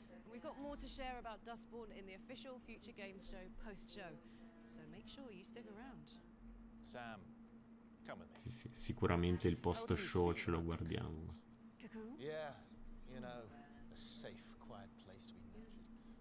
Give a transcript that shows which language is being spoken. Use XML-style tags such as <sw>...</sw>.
<en>We've got more to share about Dustborn in the official Future Games show post show. So make sure you stick around. Sam, come with me.</en> <it>Sì, sì, sicuramente il post show ce lo guardiamo.</it> <en>Yeah, you know, a safe, quiet place to be nurtured.</en>